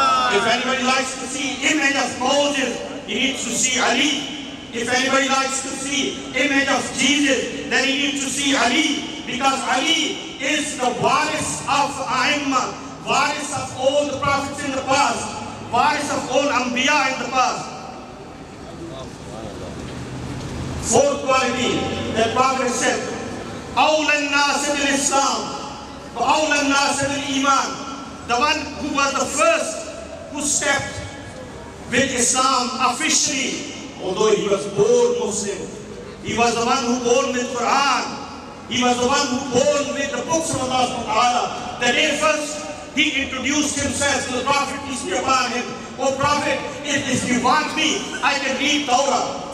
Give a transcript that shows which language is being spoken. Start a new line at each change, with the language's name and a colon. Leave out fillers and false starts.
English: If anybody likes to see image of Moses, he needs to see Ali. If anybody likes to see image of Jesus, then he needs to see Ali. Because Ali is the waris of A'imma, waris of all the prophets in the past, waris of all Anbiya in the past. Fourth quality that Prophet said,
Arabic: أولى الناس بالإسلام وأولى الناس بالإيمان.
English: The one who was the first who stepped with Islam officially, although he was born Muslim, he was the one who born with Quran, he was the one who born with the books of Allah subhanahu wa ta'ala. The day first he introduced himself to the Prophet peace be upon him, oh Prophet, if you want me, I can read Torah.